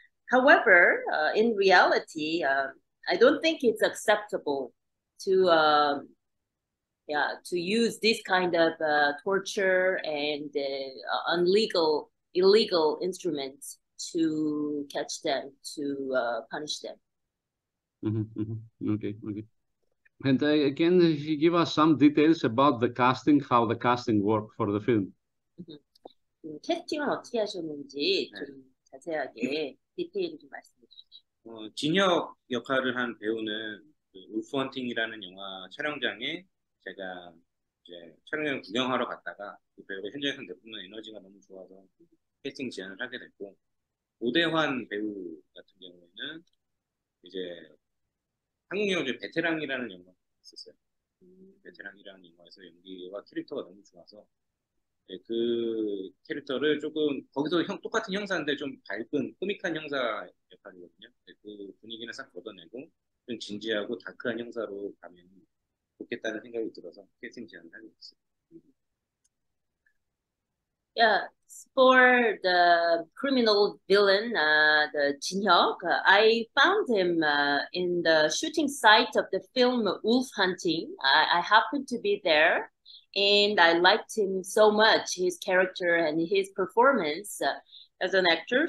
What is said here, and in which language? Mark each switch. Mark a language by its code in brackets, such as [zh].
[en] However, in reality, I don't think it's acceptable to use this kind of torture and illegal instruments to catch them, to punish them. Okay. And can you give us some details about the casting, how the casting worked for the film? [ko] 캐스팅은 어떻게 하셨는지 좀 네. 자세하게 디테일을 좀 말씀해 주시죠. 진혁 역할을 한 배우는 그 울프 헌팅이라는 영화 촬영장에 제가 이제 촬영장 구경하러 갔다가 그 배우가 현장에서 내뿜는 에너지가 너무 좋아서 캐스팅 제안을 하게 됐고, 오대환 배우 같은 경우에는 이제 한국 영화제 베테랑이라는 영화 있었어요. 베테랑이라는 영화에서 연기와 캐릭터가 너무 좋아서 네, 그 캐릭터를 조금 거기서 형 똑같은 형사인데 좀 밝은 코믹한 형사 역할이거든요. 네, 그 분위기는 싹 걷어내고 좀 진지하고 다크한 형사로 가면 좋겠다는 생각이 들어서 캐스팅 제안을 하게 됐습니다. [en] Yes, for the criminal villain, the Jin-hyuk, I found him in the shooting site of the film Wolf Hunting. I happened to be there, and I liked him so much, his character and his performance as an actor.